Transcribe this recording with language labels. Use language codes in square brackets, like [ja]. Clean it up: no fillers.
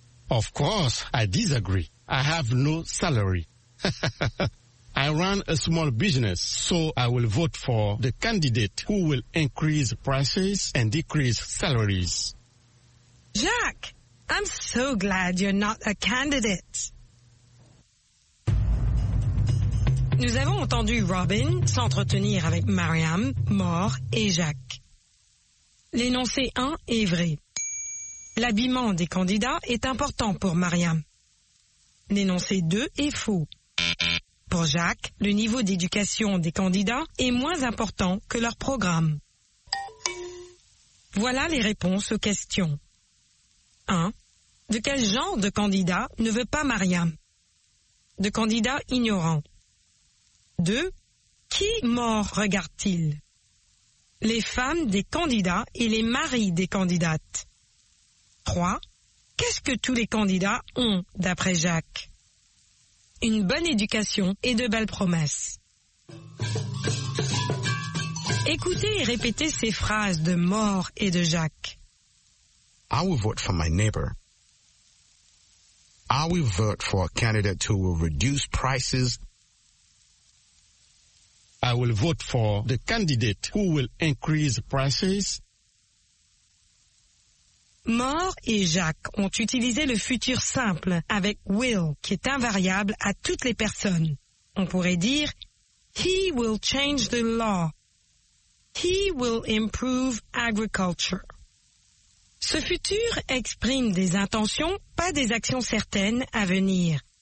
[en] Of course, I disagree. I have no salary. I run a small business, so I will vote for the candidate who will increase prices and decrease salaries. Jacques, I'm so glad you're not a candidate. [fr] Nous avons entendu Robin s'entretenir avec Mariam, Moore et Jacques. L'énoncé 1 est vrai. L'habillement des candidats est important pour Mariam. L'énoncé 2 est faux. Pour Jacques, le niveau d'éducation des candidats est moins important que leur programme. Voilà les réponses aux questions. 1. De quel genre de candidat ne veut pas Mariam? De candidat ignorant. 2. Qui mort regarde-t-il? Les femmes des candidats et les maris des candidates. 3. Qu'est-ce que tous les candidats ont, d'après Jacques? Une bonne éducation et de belles promesses. Écoutez et répétez ces phrases de Moore et de Jacques. [en] I will vote for my neighbor. I will vote for a candidate who will reduce prices. I will vote for the candidate who will increase prices. [fr] Moore et Jacques ont utilisé le futur simple avec will, qui est invariable à toutes les personnes. On pourrait dire, [en] he will change the law. He will improve agriculture. [fr] Ce futur exprime des intentions, pas des actions certaines à venir.